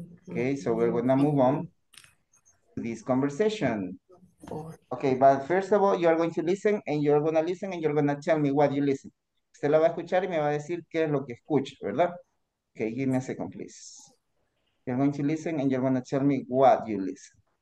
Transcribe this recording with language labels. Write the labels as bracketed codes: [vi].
[en] Okay, so we're going to move on to this conversation. Okay, but first of all, you're going to listen and you're going to listen and you're going to tell me what you listen. [es] Usted la va a escuchar y me va a decir qué es lo que escucha, ¿verdad? [en] Okay, give me a second, please. You're going to listen and you're going to tell me what you listen.